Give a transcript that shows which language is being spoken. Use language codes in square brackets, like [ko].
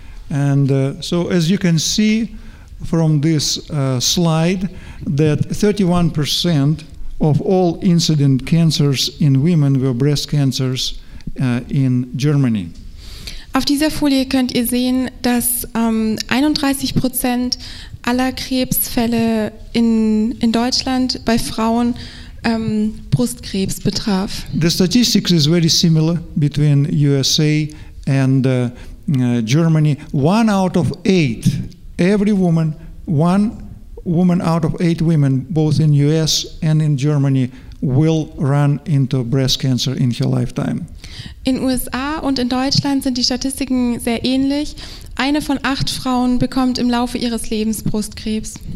[en] And so as you can see from this slide, that 31% of all incident cancers in women were breast cancers in Germany. [de] Auf dieser Folie könnt ihr sehen, dass 31% aller Krebsfälle in Deutschland bei Frauen Brustkrebs betraf. [en] The statistics is very similar between USA and Germany. One out of eight, every woman, one woman out of eight women, both in US and in Germany, will run into breast cancer in her lifetime. [de] In USA und in Deutschland sind die Statistiken sehr ähnlich. Eine von acht Frauen bekommt im Laufe ihres Lebens Brustkrebs.